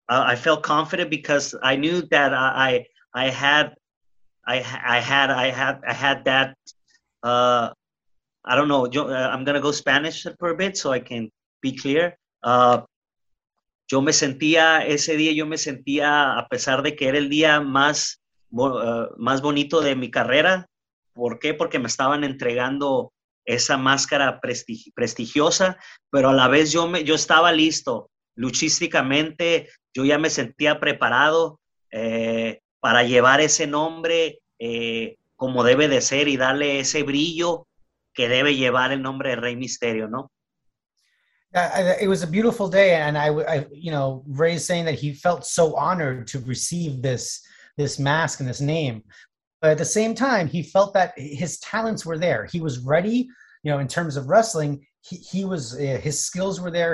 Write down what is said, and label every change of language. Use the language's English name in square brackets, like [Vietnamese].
[English] I felt confident because I knew that I had that, I don't know, I'm going to go Spanish for a bit so I can be clear. [Spanish] Yo me sentía, ese día yo me sentía, a pesar de que era el día más, más bonito de mi carrera. ¿Por qué? Porque me estaban entregando esa máscara prestigiosa, pero a la vez yo estaba listo. Luchísticamente, yo ya me sentía preparado para llevar ese nombre. Como debe de ser y darle ese brillo que debe llevar el nombre de Rey Mysterio, ¿no? [English] It was a beautiful day, and I, you know, Rey saying that he felt so honored to receive this mask and this name, but at the same time he felt that his talents were there. He was ready, you know, in terms of wrestling. He was his skills were there.